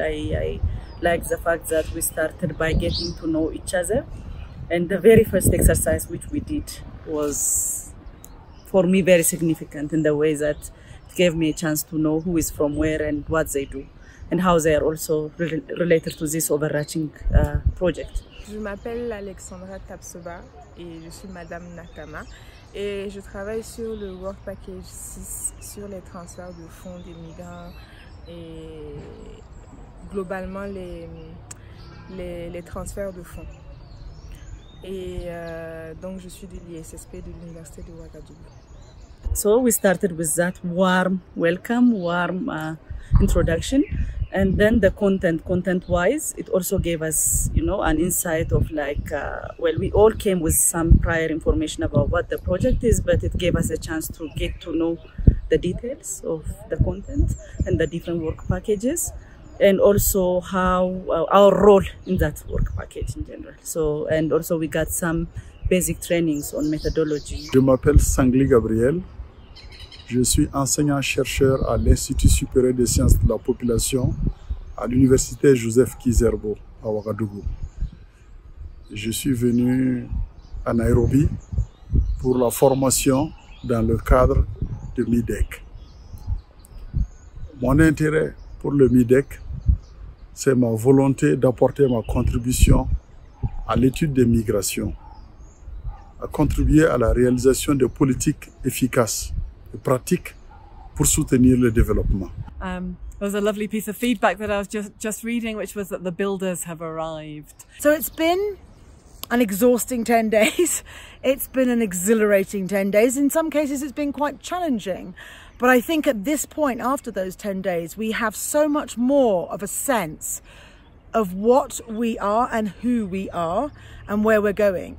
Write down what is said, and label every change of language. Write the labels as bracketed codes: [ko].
[en] I like the fact that we started by getting to know each other, and the very first exercise which we did was, for me, very significant in the way that it gave me a chance to know who is from where and what they do, and how they are also related to this overarching project. [fr] Je m'appelle Alexandra Tapsoba et je suis Madame Nakama, et je travaille sur le Work Package 6 sur les transferts de fonds des migrants et globalement les transferts de fonds. Et donc je suis de l'ISSP de l'Université de Ouagadougou. [en] So we started with that warm welcome, warm introduction, and then the content-wise, it also gave us, you know, an insight of like, well, we all came with some prior information about what the project is, but it gave us a chance to get to know the details of the content and the different work packages, and also how our role in that work package in general. So, and also we got some basic trainings on methodology. [fr] Je m'appelle Sangli Gabriel. Je suis enseignant-chercheur à l'Institut supérieur des sciences de la population à l'Université Joseph Kizerbo à Ouagadougou. Je suis venu à Nairobi pour la formation dans le cadre de MIDEQ. Mon intérêt pour le MIDEQ, c'est ma volonté d'apporter ma contribution à l'étude des migrations, à contribuer à la réalisation de politiques efficaces pratique pour soutenir le développement. [en] There was a lovely piece of feedback that I was just reading, which was that the builders have arrived. So it's been an exhausting 10 days. It's been an exhilarating 10 days. In some cases, it's been quite challenging. But I think at this point, after those 10 days, we have so much more of a sense of what we are and who we are and where we're going.